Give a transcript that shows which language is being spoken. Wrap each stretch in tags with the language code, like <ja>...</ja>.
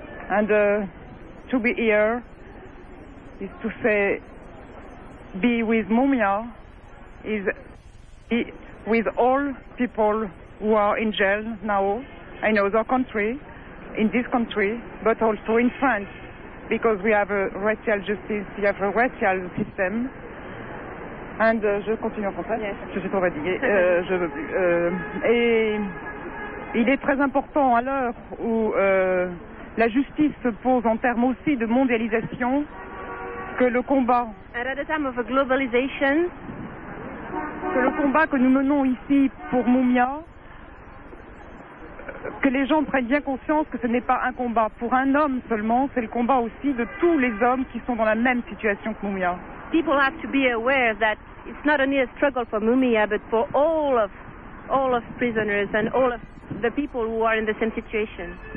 <en>And to be here is to say, be with Mumia, is be with all people who are in jail now. I know their country, in this country, but also in France, because we have a racial justice, we have a racial system.</en> <fr>And je continue en français.</fr> <en>Yes.</en> <fr>Je suis trop fatiguée. Je veux plus. Et il est très important à l'heure où la justice se pose en termes aussi de mondialisation. Que le combat,</fr> <en>and at a time of a globalization,</en> <fr>que le combat que nous menons ici pour Mumia, que les gens prennent bien conscience que ce n'est pas un combat pour un homme seulement, c'est le combat aussi de tous les hommes qui sont dans la même situation que Mumia.</fr> <en>People have to be aware that it's not only a struggle for Mumia, but for all of prisoners and all of the people who are in the same situation.</en>